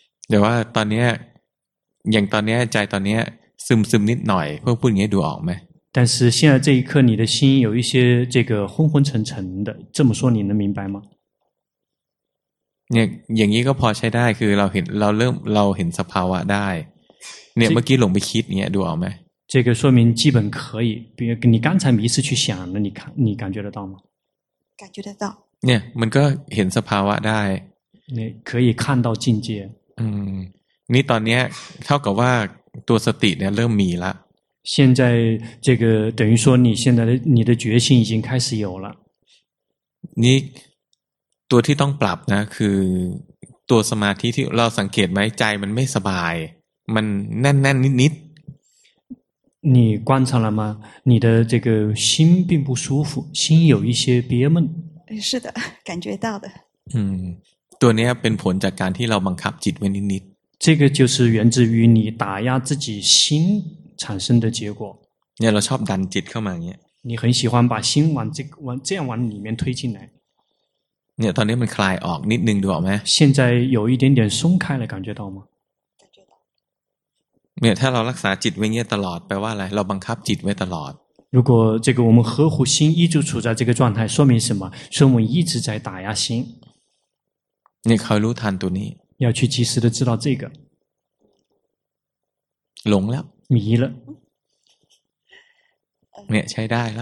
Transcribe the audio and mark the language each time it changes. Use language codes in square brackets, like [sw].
[th] แต่ว่าตอนนี้อย่างตอนนี้ใจตอนนี้ซึมนิดหน่อยพวกพูดงี้ดูออกไหม [zh] 但是现在这一刻你的心有一些这个昏昏沉沉的这么说你能明白吗 [th] เนี่ยอย่างนี้ก็พอใช้ได้คือเราเห็นสภาวะได้เนี่ยเมื่อกี้หลงไปคิดเนี่ยดูออกไหม [zh] 这个说明基本可以比如你刚才迷失去想了你感觉得到吗感觉得到 [th] เนี่ยมันก็เห็นสภาวะได้ [zh] เนี่ย可以看到境界 [th] นี่ตอนนี้เท่ากับว่าตัวสติเนี่ยเริ่มมีละ [zh] 现在这个等于说你现在的你的决心已经开始有了 [th] นี่ตัวที่ต้องปรับนะคือตัวสมาธิที่เราสังเกตไหมใจมันไม่สบายมันแน่นๆ นิด [zh] ๆ你观察了吗你的这个心并不舒服心有一些憋闷是的感觉到的 [th] ตัวนี้เป็นผลจากการที่เราบังคับจิตไว้นิด [zh] ๆ这个就是源自于你打压自己心产生的结果 [th] เนี่ยเราชอบดันจิตเข้ามาเงี้ย [zh] 你很喜欢把心往这样往里面推进来 [th] เนี่ยตอนนี้มันคลายออกนิดนึงดูออกไหม [zh] 现在有一点点松开了感觉到吗 [th] เนี่ยถ้าเรารักษาจิตไว้เงี้ยตลอดแปลว่าอะไรเราบังคับจิตไว้ตลอด [zh] 如果这个我们呵护心一直处在这个状态说明什么说我们一直在打压心 [th] เนี่ยคอยรู้ทันตัวนี้ [zh] 要去及时的知道这个 [th] หลงแล้ว [zh] 迷了 [th] เนี่ยใช้ได้แล